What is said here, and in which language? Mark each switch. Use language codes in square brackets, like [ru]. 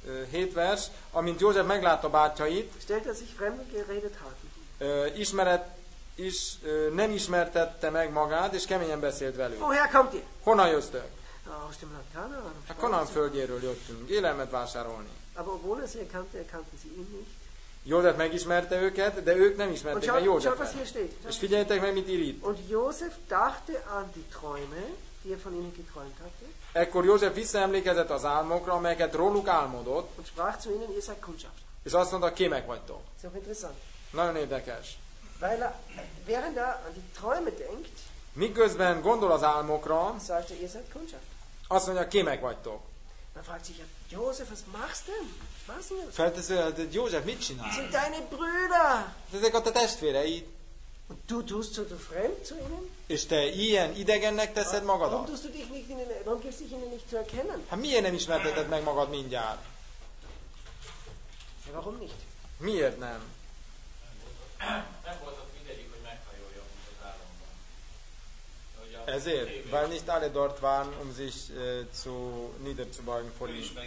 [hu] Hét vers, amint József meglátta bátyjait, [de] stellte er sich fremd geredet hatten. [hu] Nem ismertette meg magát, és keményen beszélt velük. [de] Woher kommt ihr? [hu] Honnan jöztök? [de] Aus dem Land Kanaan. [hu] A Kanaan földjéről jöttünk, élelmet vásárolni. [de] Aber obwohl er sie erkannte, erkannten sie ihn nicht. [hu] József megismerte őket, de ők nem ismerték meg Józsefet. És figyeljetek meg, mit ír itt. [de] Und József dachte an die Träume, die er von ihnen geträumt hatte. [hu] Ekkor József visszaemlékezett az álmokra, amelyeket róluk álmodott. [de] Und sprach zu ihnen, ihr seid Kundschaft. [hu] És azt mondta, kémek vagytok. [de] Ist auch interessant. [hu] Nagyon érdekes. [de] Weil er, während er an die Träume denkt, [hu] miközben gondol az álmokra, [de] sagte, ihr seid Kundschaft. [hu] Azt mondja, kémek vagytok. [de] Man fragt sich, József, was machst denn? [hu] Feltesz, József, mit csinál? [de] Sind deine Brüder. [hu] Ezek a te testvéreid. [de] Und du tust so fremd zu ihnen? [hu] És te ilyen idegennek teszed magadat? [de] Warum tust du dich nicht in den, warum gibst dich ihnen nicht zu erkennen? [hu] Hát miért nem ismerteted meg magad mindjárt? [de] Ja, warum nicht? [hu] Miért nem? Nem volt ott mindegyik, hogy meghajoljon az álomban. Ezért? [de] Weil nicht alle dort waren, um sich zu niederzubeugen vor ihm.